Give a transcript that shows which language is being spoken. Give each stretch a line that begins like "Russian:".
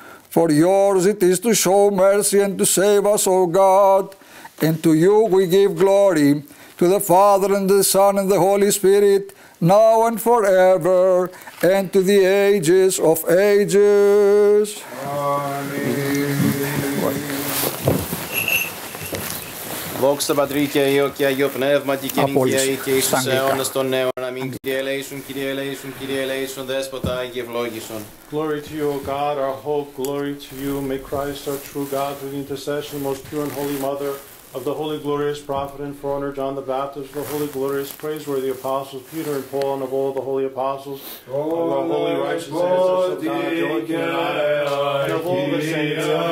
English: For yours it is to show mercy and to save us, O God. And to you we give glory, to the Father and the Son and the Holy Spirit, now and forever, and to the ages of ages. Amen.
Greek: Δόξα Πατρί και Υιό και Άγιο Πνεύματι, και νυχιαί και εις τους αιώνας των αιώνων. Αμήν. Κύριε ελέησον, Κύριε ελέησον, Κύριε ελέησον, Δέσποτα Άγιε ευλόγησον.
English: Glory to you, O God, our hope, glory to you. May Christ, our true God, through the intercession, most pure and holy Mother, of the holy glorious prophet and forerunner John the Baptist, the holy glorious praiseworthy apostles Peter and Paul, and of all the holy apostles, of our holy righteous ancestors of God, and of all the saints,